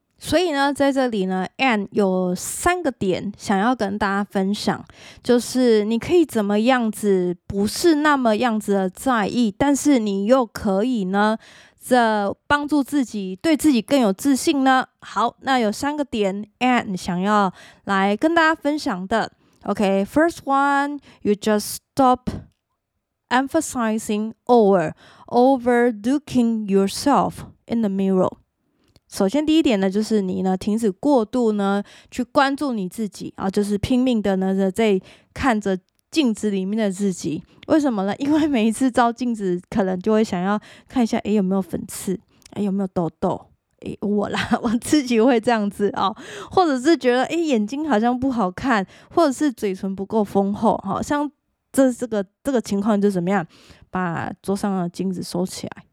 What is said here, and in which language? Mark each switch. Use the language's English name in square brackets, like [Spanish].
[Chinese] 所以呢，在这里呢 ，Anne 有三个点想要跟大家分享，就是你可以怎么样子不是那么样子的在意，但是你又可以呢，这帮助自己对自己更有自信呢。好，那有三个点 Anne 想要来跟大家分享的。 [English] Okay, first one, you just stop emphasizing or overlooking yourself in the mirror. [Chinese] 首先第一点呢，就是你呢停止过度呢去关注你自己啊，就是拼命的呢在看着镜子里面的自己。为什么呢？因为每一次照镜子可能就会想要看一下，诶，有没有粉刺，诶，有没有痘痘，诶，我啦，我自己会这样子哦，或者是觉得，诶，眼睛好像不好看，或者是嘴唇不够丰厚，哦，像这个情况就怎么样，把桌上的镜子收起来。